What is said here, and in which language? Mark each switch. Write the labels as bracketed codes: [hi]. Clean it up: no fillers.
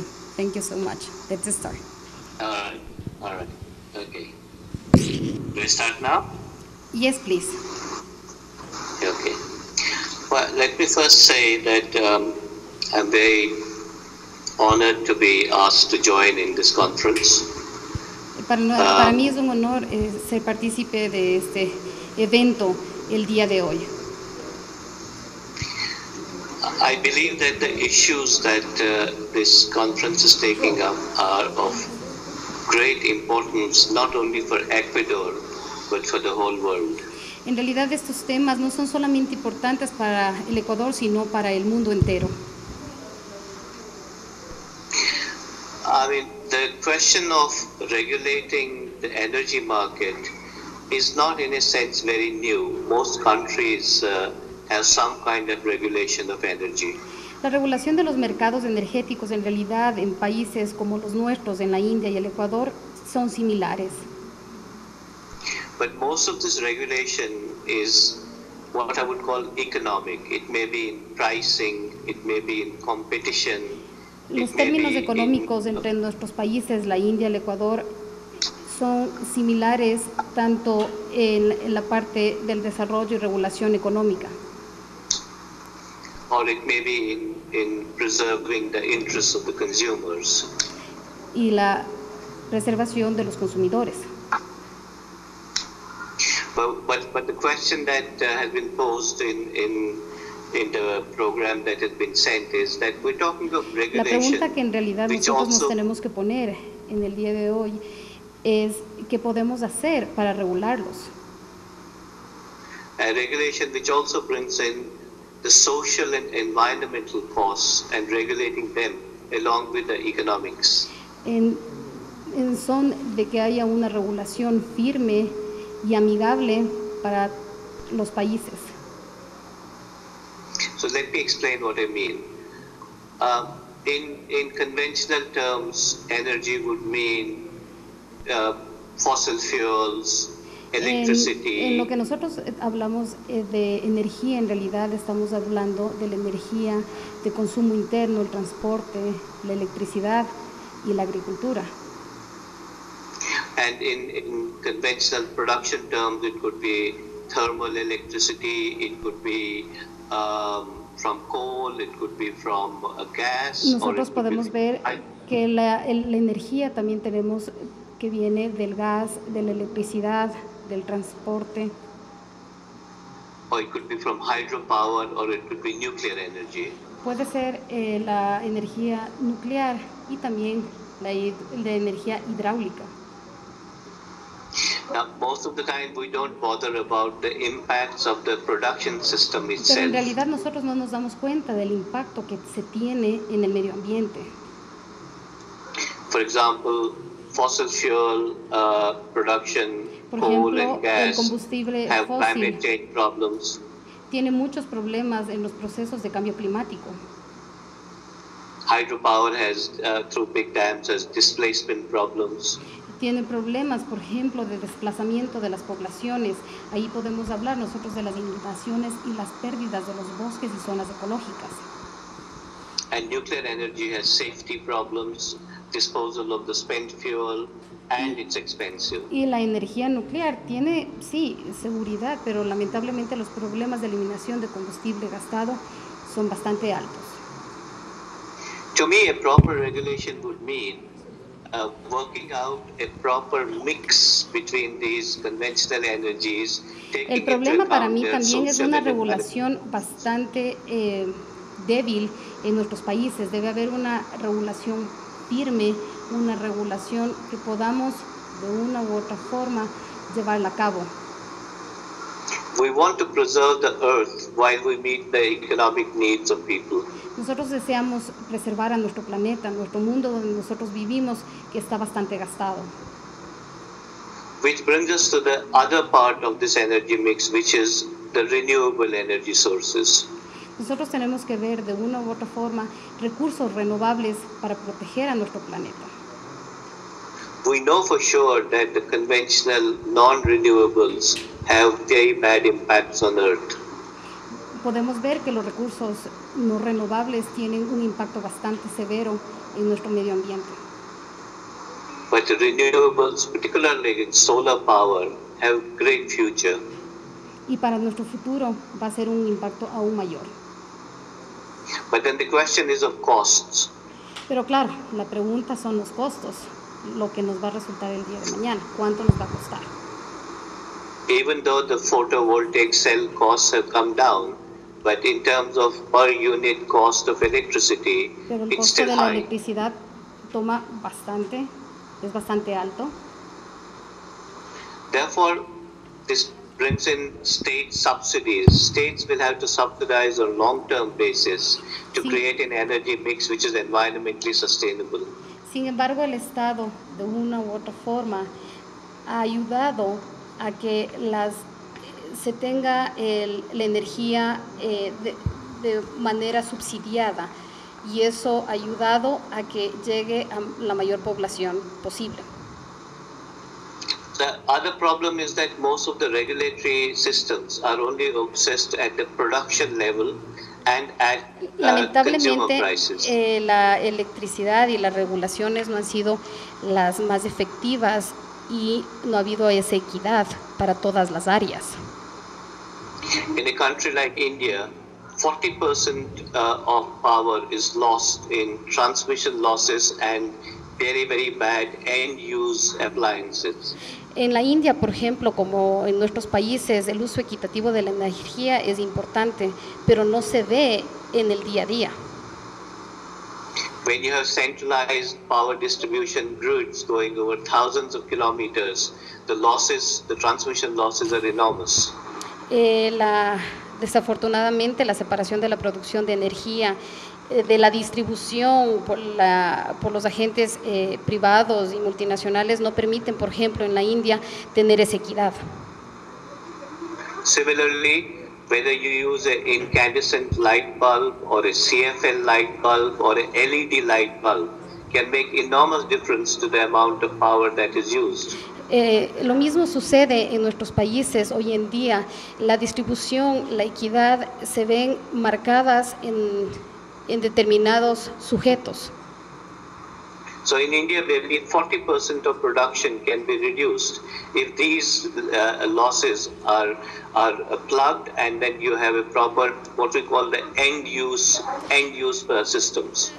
[en] Thank you so much. Let's start. Okay. Do we start now? Yes, please. Okay. Well, let me first say that I'm very honored to be asked to join in this conference. [es] Para mí es un honor ser partícipe de este evento el día de hoy. [en] I believe that the issues that this conference is taking up are of great importance, not only for Ecuador, but for the whole world. [es] En realidad, estos temas no son solamente importantes para el Ecuador, sino para el mundo entero. [en] I mean, the question of regulating the energy market is not, in a sense, very new. Most countries has some kind of regulation of energy. [es] La regulación de los mercados energéticos en realidad en países como los nuestros, en la India y el Ecuador, son similares. [en] But most of this regulation is what I would call economic. It may be in pricing, it may be in competition. [es] Los términos económicos entre nuestros países, la India y el Ecuador, son similares tanto en la parte del desarrollo y regulación económica. [en] Or it may be in preserving the interests of the consumers. [es] Y la preservación de los consumidores. [en] But the question that has been posed in the program that has been sent is that we're talking of regulation. [es] La pregunta que en realidad nosotros nos tenemos que poner en el día de hoy es qué podemos hacer para regularlos. [en] A regulation which also brings in the social and environmental costs and regulating them along with the economics. [es] En son de que haya una regulación firme y amigable para los países. [en] So let me explain what I mean. In conventional terms, energy would mean fossil fuels. [es] En lo que nosotros hablamos de energía, en realidad estamos hablando de la energía de consumo interno, el transporte, la electricidad y la agricultura. [en] And in conventional production terms, it could be thermal electricity, it could be from coal, it could be from gas. [es] Nosotros podemos ver que la energía también tenemos que viene del gas, de la electricidad, del transporte. [en] Or it could be from hydropower, or it could be nuclear energy. [es] Puede ser la energía nuclear y también la energía hidráulica. [en] Now, most of the time we don't bother about the impacts of the production system itself. [es] Pero en realidad nosotros no nos damos cuenta del impacto que se tiene en el medio ambiente. [en] For example, fossil fuel production. [es] Por ejemplo, [en] coal and gas [es] el combustible [en] have [es] fósil [en] climate change problems. [es] Tiene muchos problemas en los procesos de cambio climático. [en] Hydropower has, through big dams, has displacement problems. [es] Tiene problemas, por ejemplo, de desplazamiento de las poblaciones. Ahí podemos hablar nosotros de las inundaciones y las pérdidas de los bosques y zonas ecológicas. [en] And nuclear energy has safety problems, disposal of the spent fuel. And it's expensive. [es] Y la energía nuclear tiene, sí, seguridad, pero lamentablemente los problemas de eliminación de combustible gastado son bastante altos. [en] To me, a proper regulation would mean working out a proper mix between these conventional energies. [es] El problema para mí también es una regulación bastante débil en nuestros países. Debe haber una regulación firme, una regulación que podamos de una u otra forma llevarla a cabo. [en] We want to preserve the earth while we meet the economic needs of people. [es] Nosotros deseamos preservar a nuestro planeta, nuestro mundo donde nosotros vivimos, que está bastante gastado. [en] Which brings us to the other part of this energy mix, which is the renewable energy sources. [es] Nosotros tenemos que ver de una u otra forma recursos renovables para proteger a nuestro planeta. [en] We know for sure that the conventional non-renewables have very bad impacts on Earth. [es] Podemos ver que los recursos no renovables tienen un impacto bastante severo en nuestro medio ambiente. [en] But the renewables, particularly solar power, have great future. [es] Y para nuestro futuro va a ser un impacto aún mayor. [en] But then the question is of costs. [es] Pero claro, la pregunta son los costos, lo que nos va a resultar el día de mañana, cuánto nos va a costar. [en] Even though the photovoltaic cell costs have come down, but in terms of per unit cost of electricity, it's still high. [es] La electricidad toma bastante, es bastante alto. [en] Therefore, this brings in state subsidies. States will have to subsidize on a long-term basis to create an energy mix which is environmentally sustainable. [es] Sin embargo, el Estado, de una u otra forma, ha ayudado a que las se tenga el, la energía de manera subsidiada, y eso ha ayudado a que llegue a la mayor población posible. [en] The other problem is that most of the regulatory systems are only obsessed at the production level and at [es] lamentablemente, [en] consumer prices. [es] La electricidad y las regulaciones no han sido las más efectivas y no ha habido esa equidad para todas las áreas. [en] In a country like India, 40% of power is lost in transmission losses and very, very bad end-use appliances. [es] En la India, por ejemplo, como en nuestros países, el uso equitativo de la energía es importante, pero no se ve en el día a día. [en] When you have centralized power distribution grids going over thousands of kilometers, the losses, the transmission losses are enormous. [es] Desafortunadamente, la separación de la producción de energía, de la distribución por los agentes privados y multinacionales no permiten, por ejemplo, en la India, tener esa equidad. [en] Similarly, whether you use an incandescent light bulb or a CFL light bulb or an LED light bulb can make enormous difference to the amount of power that is used. [es] Lo mismo sucede en nuestros países hoy en día. La distribución, la equidad se ven marcadas en determinados sujetos. [en] So in India, maybe 40% of production can be reduced if these losses are plugged and then you have a proper what we call the end use systems.